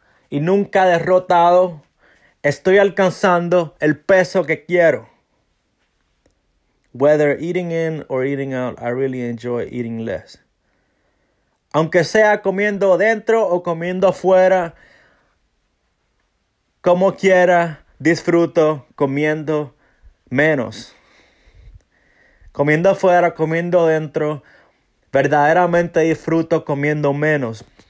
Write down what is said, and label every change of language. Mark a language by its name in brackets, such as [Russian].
[Spanish] Y nunca derrotado, estoy alcanzando el peso que quiero. [English] Whether eating in or eating out, I really enjoy eating less. [Spanish] Aunque sea comiendo dentro o comiendo afuera, como quiera, disfruto comiendo menos. Comiendo afuera, comiendo dentro, verdaderamente disfruto comiendo menos.